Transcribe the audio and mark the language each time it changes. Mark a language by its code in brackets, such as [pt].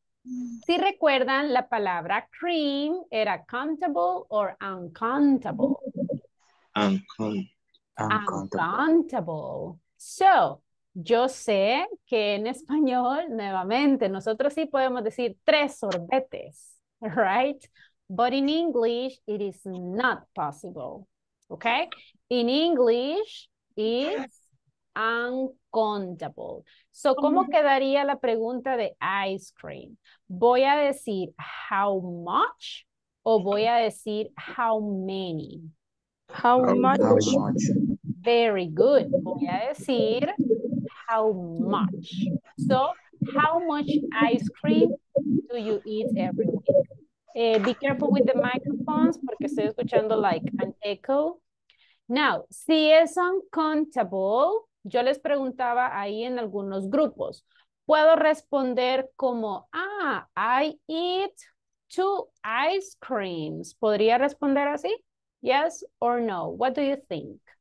[es] Si recuerdan, la palabra cream era countable or uncountable. [en] Uncountable. [es] So, yo sé que en español, nuevamente, nosotros sí podemos decir tres sorbetes, right? [en] But in English, it is not possible, okay? In English, it's uncountable. [es] So, ¿cómo quedaría la pregunta de ice cream? ¿Voy a decir how much o voy a decir how many? [en] How much? How much? Very good. [es] Voy a decir... how much? [en] So, how much ice cream do you eat every week? Be careful with the microphones, [es] porque estoy escuchando [en] like an echo. [es] Now, si es uncountable, yo les preguntaba ahí en algunos grupos, puedo responder como, [en] I eat two ice creams. [es] ¿Podría responder así? [en] Yes or no? What do you think?